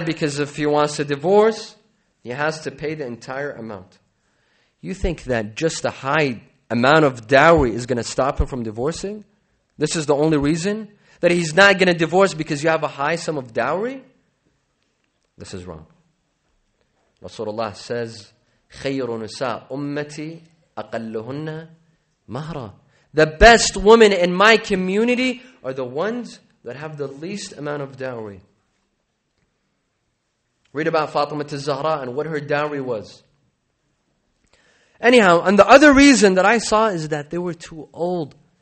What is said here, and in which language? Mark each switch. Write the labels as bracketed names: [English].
[English] Because if he wants to divorce, he has to pay the entire amount. You think that just a high amount of dowry is going to stop him from divorcing? This is the only reason? That he's not going to divorce because you have a high sum of dowry? This is wrong. Rasulullah says, [Arabic] خَيْرُ نُسَىٰ أُمَّتِي أَقَلُّهُنَّ مَهْرًا. [English] The best women in my community are the ones that have the least amount of dowry. Read about Fatima al-Zahra and what her dowry was. Anyhow, and the other reason that I saw is that they were too old.